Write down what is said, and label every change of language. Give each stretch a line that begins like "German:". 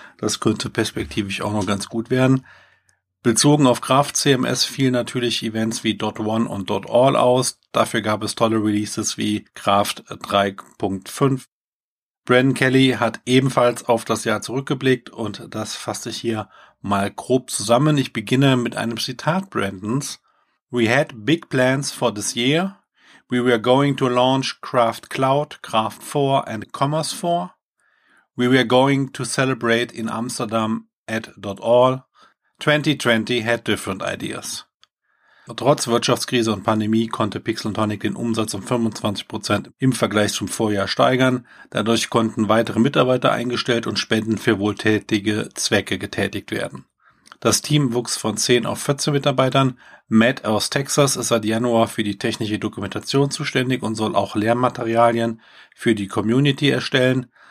German: Das könnte perspektivisch auch noch ganz gut werden. Bezogen auf Craft CMS fielen natürlich Events wie .one und .all aus. Dafür gab es tolle Releases wie Craft 3.5. Brandon Kelly hat ebenfalls auf das Jahr zurückgeblickt und das fasse ich hier mal grob zusammen. Ich beginne mit einem Zitat Brandons.
English: We had big plans for this year. We were going to launch Craft Cloud, Craft 4 and Commerce 4. We were going to celebrate in Amsterdam at .all. 2020 had different ideas.
German: Trotz Wirtschaftskrise und Pandemie konnte Pixel & Tonic den Umsatz um 25% im Vergleich zum Vorjahr steigern. Dadurch konnten weitere Mitarbeiter eingestellt und Spenden für wohltätige Zwecke getätigt werden. Das Team wuchs von 10 auf 14 Mitarbeitern. Matt aus Texas ist seit Januar für die technische Dokumentation zuständig und soll auch Lehrmaterialien für die Community erstellen.